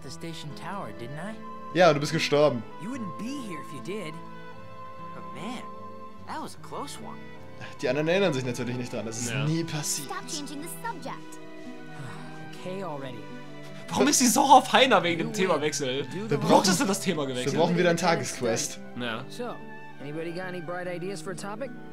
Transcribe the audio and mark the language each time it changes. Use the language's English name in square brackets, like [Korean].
[English] the station tower, didn't I? [German] Ja, du bist gestorben. [English] You wouldn't be here if you did. But man, that was a close one. [German] Die anderen erinnern sich natürlich nicht dran. Das ist nie passiert. [English] Stop changing the subject. [German] Warum ist sie so auf Heiner wegen dem Themawechsel? Wir brauchen, ist denn das Thema gewechselt? Wir brauchen wieder ein Tagesquest. [English] Ja. So, anybody got any bright ideas for a topic?